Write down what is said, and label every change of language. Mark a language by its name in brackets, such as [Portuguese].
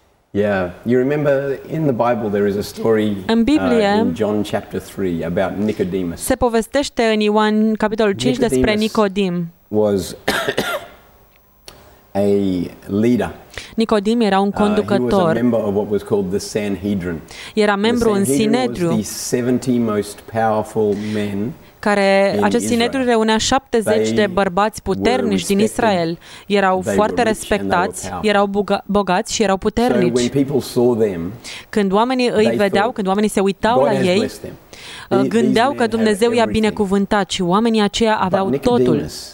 [English] Yeah, you remember in the Bible there is a story [Romanian] în Biblie, [English] in John chapter 3 about Nicodemus. [Romanian] Se povestește în Ioan capitolul 5 despre Nicodim. [English] Was a leader. [Romanian] Nicodim era un conducător. [English] He was a member of what was called the Sanhedrin. [Romanian] Era membru în Sinedriu. [English] The Sanhedrin was the 70 most powerful men. [Romanian] Care acest sinedru reunea 70 de bărbați puternici din Israel. Erau foarte respectați, erau bogați și erau puternici. Când oamenii îi vedeau, când oamenii se uitau la ei, gândeau că Dumnezeu i-a binecuvântat și oamenii aceia aveau totul.